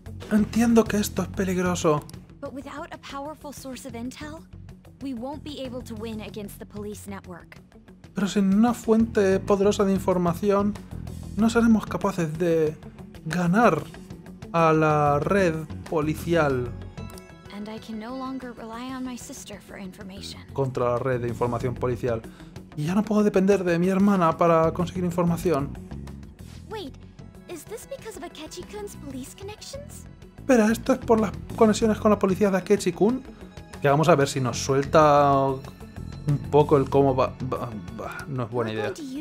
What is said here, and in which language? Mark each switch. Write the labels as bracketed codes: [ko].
[es] Entiendo que esto es peligroso. [en] But without a powerful source of intel, we won't be able to win against the police network. [es] Pero sin una fuente poderosa de información, no seremos capaces de ganar a la red policial. [en] And I can no longer rely on my sister for information. [es] Contra la red de información policial. Y ya no puedo depender de mi hermana para conseguir información. [en] Wait, is this because of Akechi-kun's police connections? [es] Espera, ¿esto es por las conexiones con la policía de Ketchikun? Ya vamos a ver si nos suelta un poco el cómo va... no es buena idea.